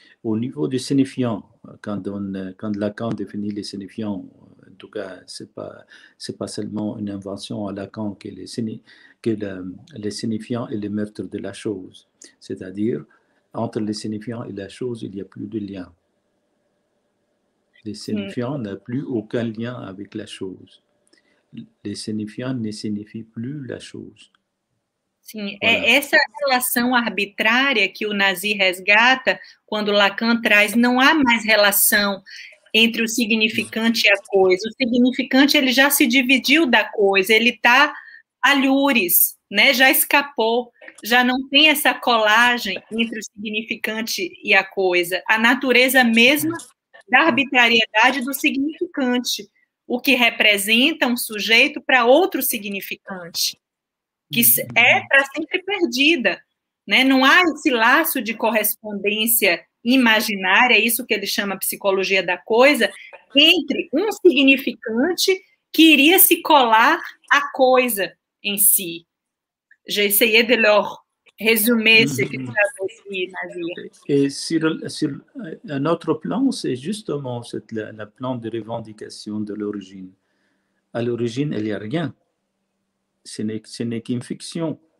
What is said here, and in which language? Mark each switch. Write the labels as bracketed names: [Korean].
[French] Au niveau du signifiant, quand Lacan définit les signifiants, en tout cas, c'est pas seulement une invention à Lacan que les signifiants et les maîtres de la chose. C'est-à-dire, entre les signifiants et la chose, il n'y a plus de lien. Les signifiants n'ont plus aucun lien avec la chose. Les signifiants ne signifient plus la chose. [Portuguese] Sim, [French] voilà. [Portuguese] É essa relação arbitrária que o Nazir resgata quando Lacan traz, não há mais relação entre o significante e a coisa. O significante, ele já se dividiu da coisa, ele está alhures, né? Já escapou, já não tem essa colagem entre o significante e a coisa. A natureza mesma da arbitrariedade do significante, o que representa um sujeito para outro significante, que é para sempre perdida. Né? Não há esse laço de correspondência imaginária, isso que ele chama psicologia da coisa, entre um significante que iria se colar à coisa em si. [French] Je essayais de leur résumer ce que tu as aussi, Nazir. Et sur un autre plan, c'est justement le plan de revendication de l'origine. À l'origine, il n'y a rien. Ce n'est qu'une fiction.